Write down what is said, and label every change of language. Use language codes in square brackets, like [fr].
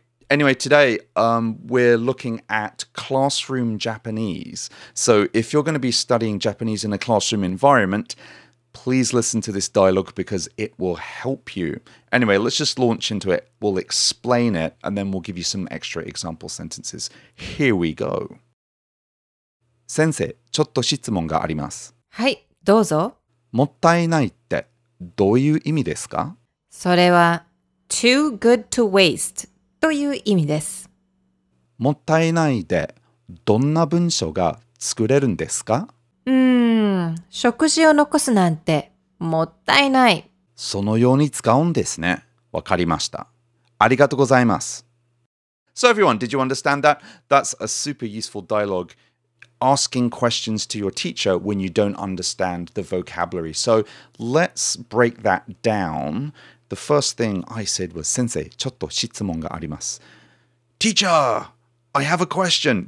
[en] Anyway, today we're looking at classroom Japanese. So if you're going to be studying Japanese in a classroom environment, please listen to this dialogue because it will help you. Anyway, let's just launch into it. We'll explain it and then we'll give you some extra example sentences. Here we go. [ja] 先生、ちょっと質問があります。はい、どうぞ。もったいないってどういう意味ですか? それは [en] too good to waste [ja] という意味です。もったいないでどんな文章が作れるんですか? 食事を残すなんてもったいない。そのように使うんですね。わかりました。ありがとうございます。 [en] So everyone, did you understand that? That's a super useful dialogue, asking questions to your teacher when you don't understand the vocabulary. So let's break that down. The first thing I said was, [ja] 先生、ちょっと質問があります。 [en] Teacher, I have a question.